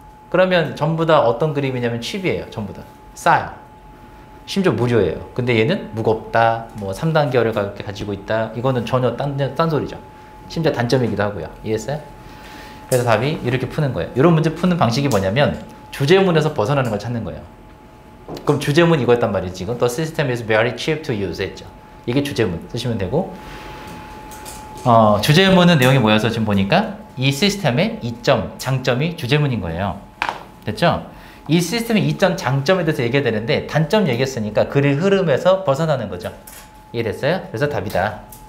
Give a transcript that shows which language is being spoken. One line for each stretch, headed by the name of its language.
Korean: 그러면 전부 다 어떤 그림이냐면 칩이에요. 전부 다 싸요. 심지어 무료예요. 근데 얘는 무겁다, 뭐 3단 기어를 가볍게 가지고 있다. 이거는 전혀 딴 소리죠. 심지어 단점이기도 하고요. 이해했어요? 그래서 답이 이렇게 푸는 거예요. 이런 문제 푸는 방식이 뭐냐면 주제문에서 벗어나는 걸 찾는 거예요. 그럼 주제문 이거였단 말이에요. 지금
English: The system is very cheap to use
Korean: 했죠. 이게 주제문 쓰시면 되고 주제문은 내용이 뭐여서 지금 보니까 이 시스템의 이점, 장점이 주제문인 거예요. 됐죠? 이 시스템의 이점, 장점에 대해서 얘기해야 되는데 단점 얘기했으니까 글의 흐름에서 벗어나는 거죠. 이해됐어요? 그래서 답이다.